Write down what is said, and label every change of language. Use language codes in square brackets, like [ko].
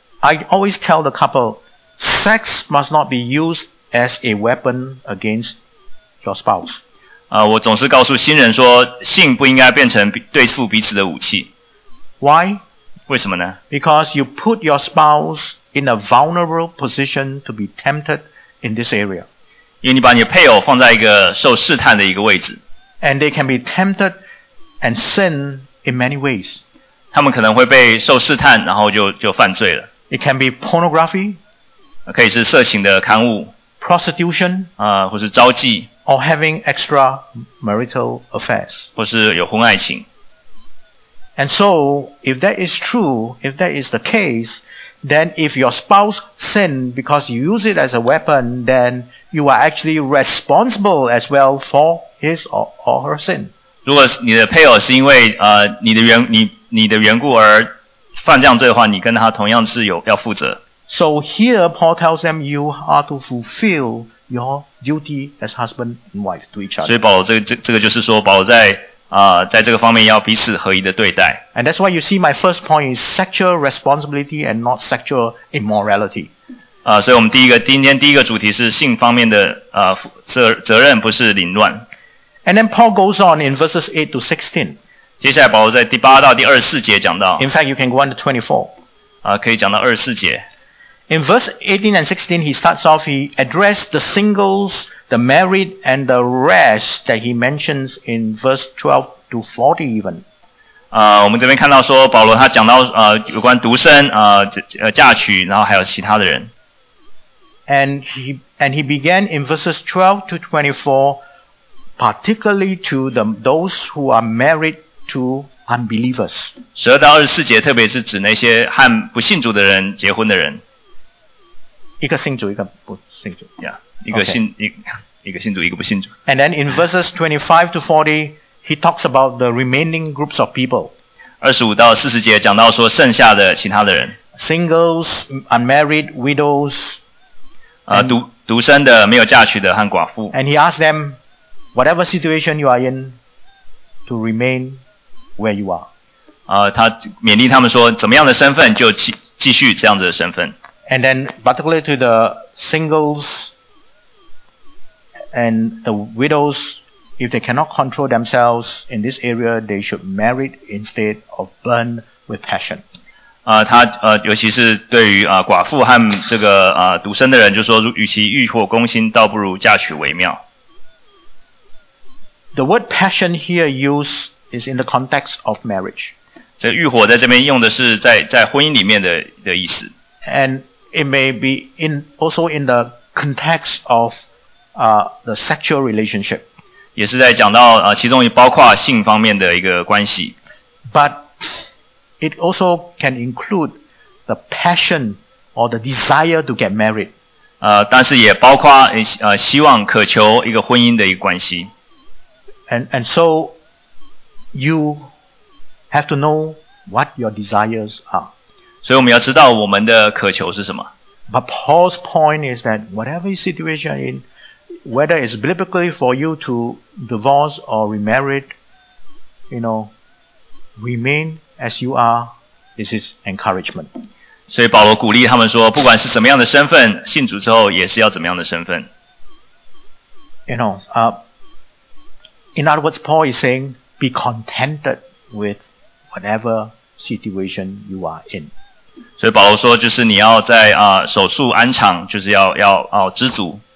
[en] ，I always tell the couple, sex must not be used as a weapon against your spouse. [zh] 我总是告诉新人说，性不应该变成对付彼此的武器。 [en] Why? [zh] 为什么呢 [en] ？Because you put your spouse in a vulnerable position to be tempted in this area. [zh] 因为你把你的配偶放在一个受试探的一个位置。 [en] And they can be tempted and sin in many ways. [zh] 他们可能会被受试探，然后就犯罪了。 [en] It can be pornography， [zh] 可以是色情的刊物 [en] ；prostitution， [zh] 或是招妓 [en] ；or having extramarital affairs， [zh] 或是有婚爱情。 [en] And so, if that is true, if that is the case, then if your spouse sin because you use it as a weapon, then you are actually responsible as well for his or her sin。 [zh] 如果你的配偶是因为你的缘故而犯这样罪的话，你跟他同样是有要负责。 [en] So here Paul tells them you are to fulfill your duty as husband and wife to each other. [zh] 所以保罗这个就是说，保罗在这个方面要彼此合一的对待。 [en] And that's why you see my first point is sexual responsibility and not sexual immorality. [zh] 所以我们今天第一个主题是性方面的责任，不是凌乱。 [en] And then Paul goes on in verses 8 to 16. [zh] 接下来保罗在第八到第二十四节讲到 [en] In fact, you can go on to 24. [zh] 可以讲到二十四节。 [en] In verse 18 and 16, he starts off, he addressed the singles, the married, and the rest that he mentions in verse 12 to 40 even. [zh] 我们这边看到说保罗他讲到有关独身嫁娶然后还有其他的人。 [en] And he began in verses 12 to 24, particularly to those who are married,to unbelievers. [zh] 12到24节特别是指那些和不信主的人结婚的人。一个信主一个不信主。 Yeah, 一个信主一个不信主。 [en] And then in verses 25 to 40, he talks about the remaining groups of people. [zh] 25到40节讲到说剩下的其他的人。 [en] Singles, unmarried, widows, [zh] 独身的没有嫁娶的和寡妇。 [en] And he asks them, whatever situation you are in, to remainWhere you are. [zh] 他勉励他们说怎么样的身份就继续这样子的身份。 [en] And then particularly to the singles and the widows, if they cannot control themselves in this area, they should marry instead of burn with passion. [zh] 他尤其是对于寡妇和这个独身的人就说与其欲火攻心倒不如嫁娶为妙。 [en] The word passion here useis in the context of marriage. [zh] 这欲火在这边用的是在婚姻里面的意思。 [en] And it may be in, also in the context of, the sexual relationship. [zh] 也是在讲到其中包括性方面的一个关系。 [en] But it also can include the passion or the desire to get married. [zh] 但是也包括希望渴求一个婚姻的一个关系。 [en] And so, you have to know what your desires are. [zh] 所以我们要知道我们的渴求是什么。 [en] But Paul's point is that whatever situation in, whether it's biblically for you to divorce or remarry, you know, remain as you are, this is encouragement. [zh] 所以保罗鼓励他们说，不管是怎么样的身份，信主之后也是要怎么样的身份。 [en] You know, in other words, Paul is saying, be contented with whatever situation you are in. [zh] 所以保罗说，就是你要在守素安常，就是要知足。